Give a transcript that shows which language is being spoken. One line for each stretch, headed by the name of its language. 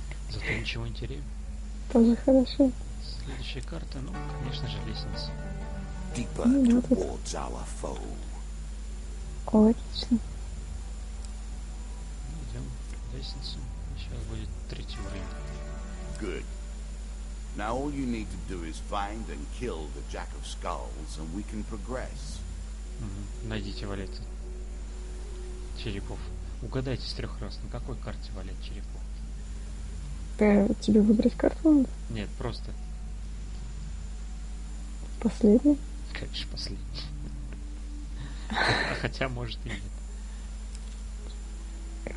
Russian: Зато ничего интереснее. Тоже хорошо. Следующая карта, ну, конечно же, лестница.
English: Deeper towards our foe.
Russian: Отлично. Идем в лестницу. Сейчас будет третий уровень.
English: Good. Now all you need to do is find and kill the Jack of Skulls, and we can progress.
Russian: Найдите валет черепов. Угадайте с трех раз, на какой карте валет черепов. Да, тебе выбрать карту надо? Нет, просто. Последний? Конечно, последний. Хотя, может, и нет.